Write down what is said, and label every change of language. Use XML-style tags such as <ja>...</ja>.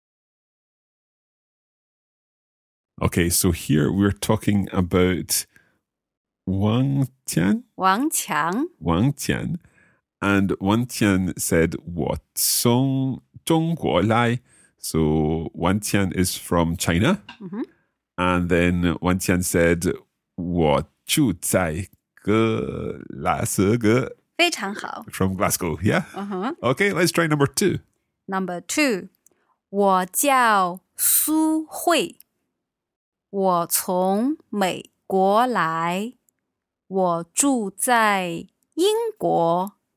<zh>我叫王强。我从中国来。我住在格拉斯哥。 Okay,</zh> <en>so here we're talking about Wang Tian. Wang Qiang. Wang Tian. And Wang Tian said, 我从中国来。 So, Wan Tian is from China. And then Wan Tian said, 我住在格拉斯哥.</en> <zh>非常好.</zh> <en>From Glasgow, yeah. Okay, let's try number two. Number two.</en> <zh>我叫苏慧。我从美国来。我住在英国.</zh>